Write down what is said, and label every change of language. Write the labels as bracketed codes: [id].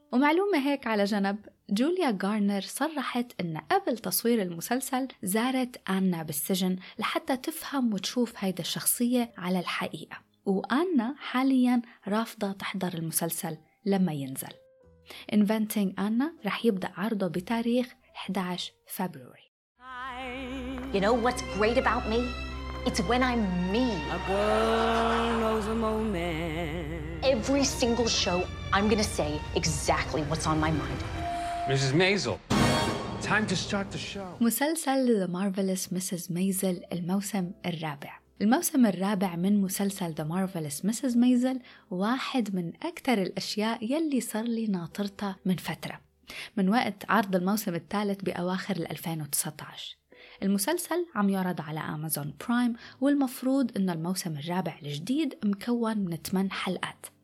[ar] ومعلومة هيك على جنب، جوليا غارنر صرحت إنه قبل تصوير المسلسل زارت آنا بالسجن لحتى تفهم وتشوف هيدا الشخصية على الحقيقة، وآنا حالياً رافضة تحضر المسلسل لما ينزل. Inventing Anna رح يبدأ عرضه بتاريخ 11 فبراير. [en] You know what's great about me? It's when I'm me. A girl knows a moment. Every single show, I'm gonna say exactly what's on my mind. Mrs. Maisel, time to start the show. مسلسل The Marvelous Mrs. [ar] Maisel الموسم الرابع. الموسم الرابع من مسلسل The Marvelous Mrs. Maisel واحد من أكثر الأشياء يلي صار لي ناطرتها من فترة، من وقت عرض الموسم الثالث بأواخر 2019. المسلسل عم يعرض على أمازون برايم، والمفروض إنه الموسم الرابع الجديد مكون من 8 حلقات.